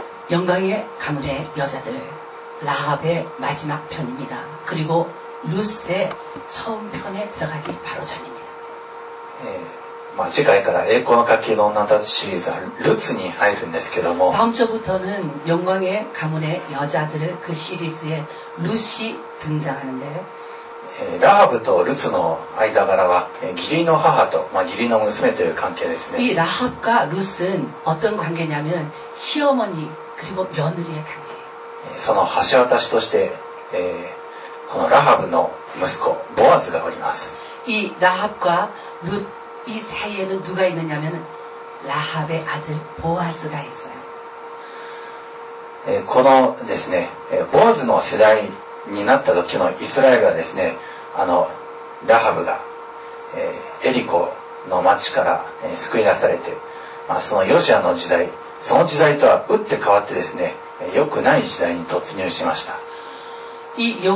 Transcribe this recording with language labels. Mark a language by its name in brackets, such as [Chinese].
[Korean] 영광의가문의여자들라합의마지막편입니다그리고루스의처음편에들어가기바로전입니다 [Japanese] 次回から栄光の家系の女たちシリーズはルツに入るんですけども、 [Korean] 다음주부터는영광의가문의여자들그시리즈에루시등장하는데 [Japanese] 라합과루스の間柄は義理の母と義理の娘という関係ですね。 [Korean] 이라합과루스는어떤관계냐면시어머니그리고며느리의관계 [Japanese] その橋渡しとして、このラハブの息子ボアズがおります。 [Korean] 이라합과룻이사이에는누가있느냐면라합의아들보아즈가있어요 [Japanese] このですね、ボアズの世代になった時のイスラエルはですね、ラハブが、エリコの町から、救い出されて、そのヨシアの時代、その時代とは打って変わってですね、良くない時代に突入しました。